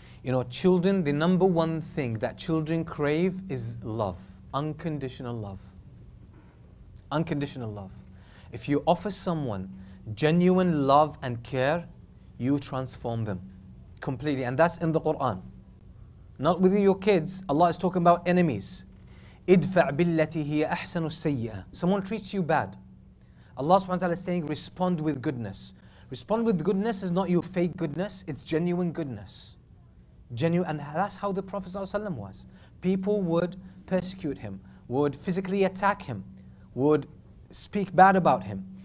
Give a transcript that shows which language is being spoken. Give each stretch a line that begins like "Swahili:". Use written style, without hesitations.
English: You know, children, the number one thing that children crave is love, unconditional love. Unconditional love. If you offer someone genuine love and care, you transform them completely. And that's in the Quran. Not with your kids. Allah is talking about enemies.
Arabic: ادفع بالتي هي أحسن السيئة.
English: Someone treats you bad. Allah subhanahu wa ta'ala is saying, respond with goodness. Respond with goodness is not your fake goodness, it's genuine goodness. Genuine, and that's how the Prophet ﷺ was. People would persecute him, would physically attack him, would speak bad about him.